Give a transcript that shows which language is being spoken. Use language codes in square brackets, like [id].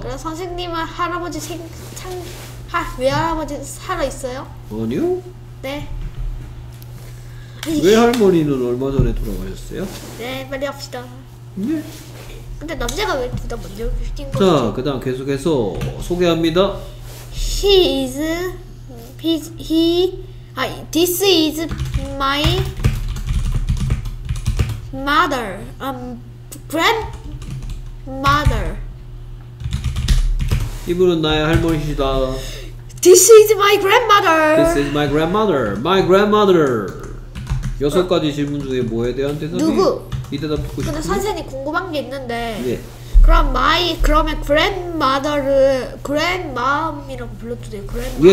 [ko] 그럼 선생님은 할아버지 생 참 외할아버지 살아 있어요? 아니요. 네. 외할머니는 얼마 전에 돌아가셨어요? 네, 빨리 합시다. 네. 근데 남자가 왜 둘 다 먼저 시킨 거죠? 자, 그다음 계속해서 소개합니다. [en] He is his he 아 this is my mother grandmother. [ko] 이분은 나의 할머니시다. [en] This is my grandmother. This is my grandmother. My grandmother. [ko] 여섯 가지 질문 중에 뭐에 대한 대답이? 누구? 이 대답 듣고 싶어요. 근데 선생님 궁금한 게 있는데. 네. 그럼 my 그러면 grandmother를 grandmom이라고 불러도 돼요? grandmom.